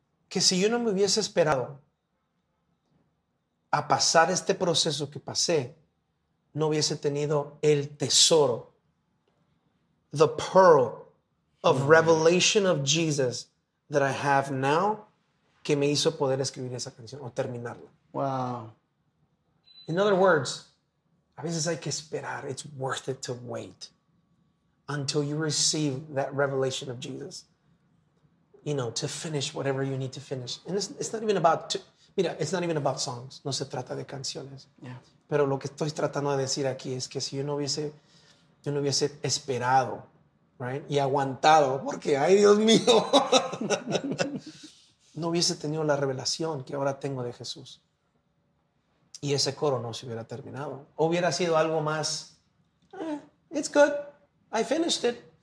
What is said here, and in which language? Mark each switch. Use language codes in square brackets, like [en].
[es] Que si yo no me hubiese esperado a pasar este proceso que pasé, no hubiese tenido el tesoro, [en] the pearl of revelation of Jesus that I have now, [es] que me hizo poder escribir esa canción o terminarla. [en] Wow. In other words, [es] a veces hay que esperar. [en] It's worth it to wait until you receive that revelation of Jesus, you know, to finish whatever you need to finish. And it's not even about to, [es] mira, [en] it's not even about songs. [es] No se trata de canciones. [en] Yeah. [es] Pero lo que estoy tratando de decir aquí es que si yo no hubiese esperado, [en] right, [es] y aguantado, porque, ay, Dios mío, no hubiese tenido la revelación que ahora tengo de Jesús. Y ese coro no se hubiera terminado. Hubiera sido algo más, [en] it's good, I finished it.